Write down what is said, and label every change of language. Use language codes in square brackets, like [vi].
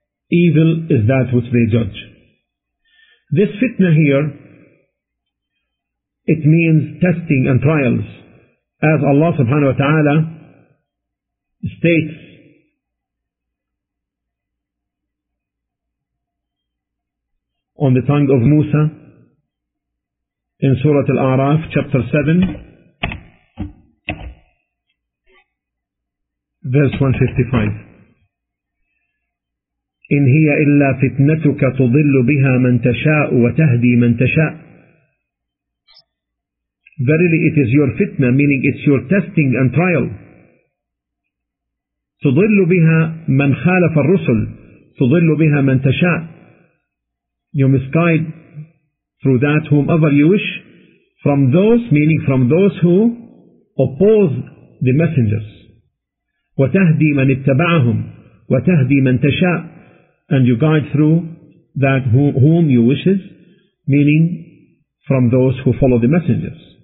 [en] Evil is that which they judge. This fitna here, it means testing and trials, as Allah subhanahu wa ta'ala states on the tongue of Musa in Surah Al-A'raf chapter 7 verse 155. [ar] إِنْ هِيَ إِلَّا فِتْنَتُكَ تُضِلُّ بِهَا مَنْ تَشَاءُ وَتَهْدِي مَنْ تَشَاءُ. [en] Verily it is your fitna, meaning it's your testing and trial. [ar] تُضِلُّ بِهَا مَنْ خَالَفَ الرُّسُلُ تُضِلُّ بِهَا مَنْ تَشَاءُ. [en] You misguide through that whomever you wish, from those, meaning from those who oppose the messengers. [ar] وَتَهْدِي مَنْ اتَّبَعَهُمْ وَتَهْدِي مَنْ تَشَاءُ, [en] and you guide through that whom you wishes, meaning from those who follow the messengers.